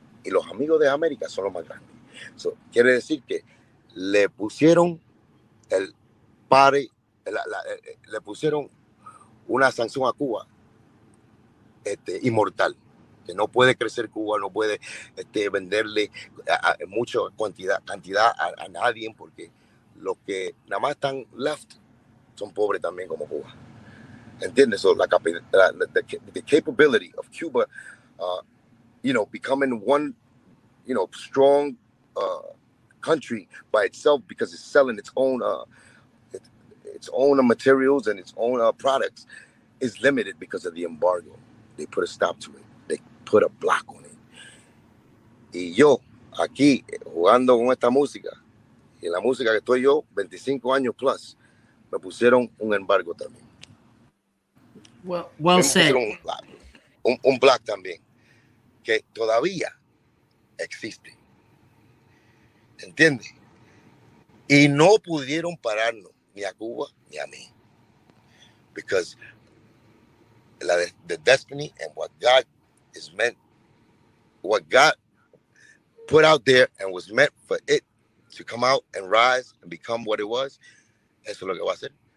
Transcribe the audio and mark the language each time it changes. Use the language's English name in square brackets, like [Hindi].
[Spanish] Y los amigos de América son los más grandes. So, quiere decir que le pusieron el pare, le pusieron una sanción a Cuba inmortal, que no puede crecer Cuba, no puede venderle mucha cantidad a nadie, porque los que nada más están left son pobres también como Cuba. ¿Entiendes? [English] So, the capability of Cuba becoming one, you know, strong country by itself because it's selling its own materials and its own products is limited because of the embargo. They put a stop to it. They put a block on it. [Spanish] Y yo, aquí, jugando con esta música, y la música que estoy yo, 25 años plus, me pusieron un embargo también. [English] Well said. [Spanish] Un block también. Que todavía existe. ¿Entiendes? Y no pudieron pararnos ni a Cuba ni a mí. [English] Because the destiny and what God is meant, what God put out there and was meant for it to come out and rise and become what it was, [Spanish] eso es lo que va a hacer.